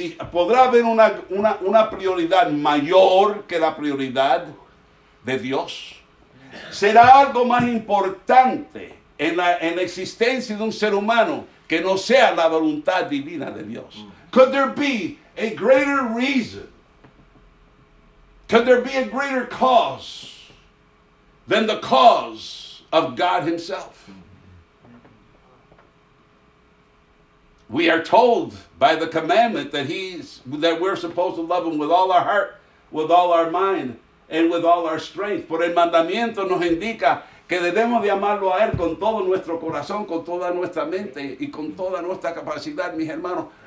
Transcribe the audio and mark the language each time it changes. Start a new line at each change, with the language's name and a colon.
Spanish: ¿Podrá haber una prioridad mayor que la prioridad de Dios? ¿Será algo más importante en la existencia de un ser humano que no sea la voluntad divina de Dios?
English: Could there be a greater reason? Could there be a greater cause than the cause of God himself? We are told by the commandment that we're supposed to love him with all our heart, with all our mind, and with all our strength.
Spanish: Por el mandamiento nos indica que debemos de amarlo a él con todo nuestro corazón, con toda nuestra mente y con toda nuestra capacidad, mis hermanos.